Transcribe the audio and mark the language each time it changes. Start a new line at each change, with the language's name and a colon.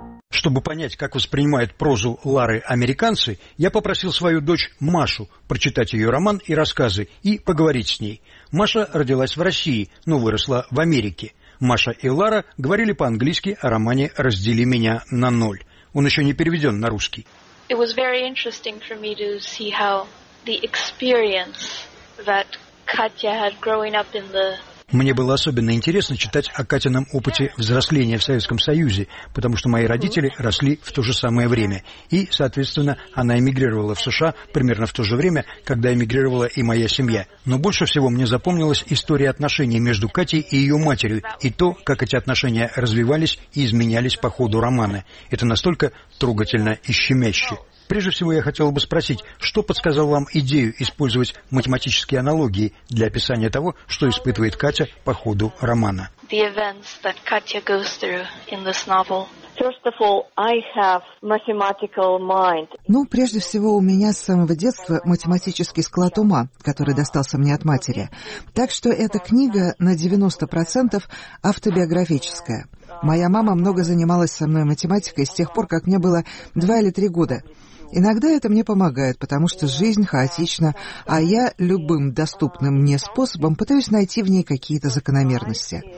Russian: Чтобы понять, как воспринимают прозу Лары американцы, я попросил свою дочь Машу прочитать ее роман и рассказы и поговорить с ней. Маша родилась в России, но выросла в Америке. Маша и Лара говорили по-английски о романе «Раздели меня на ноль». Он еще не переведен на русский.
English: It was very interesting for me to see how the experience that Katya had growing up in the...
Russian: Мне было особенно интересно читать о Катином опыте взросления в Советском Союзе, потому что мои родители росли в то же самое время. И, соответственно, она эмигрировала в США примерно в то же время, когда эмигрировала и моя семья. Но больше всего мне запомнилась история отношений между Катей и ее матерью, и то, как эти отношения развивались и изменялись по ходу романа. Это настолько трогательно и щемяще. Прежде всего, я хотела бы спросить, что подсказал вам идею использовать математические аналогии для описания того, что испытывает Катя по ходу романа?
English: The events that Katya goes through in this novel. First of all, I have mathematical mind.
Russian: Ну, прежде всего, у меня с самого детства математический склад ума, который достался мне от матери. Так что эта книга на 90% автобиографическая. Моя мама много занималась со мной математикой с тех пор, как мне было 2 или 3 года. Иногда это мне помогает, потому что жизнь хаотична, а я любым доступным мне способом пытаюсь найти в ней какие-то закономерности.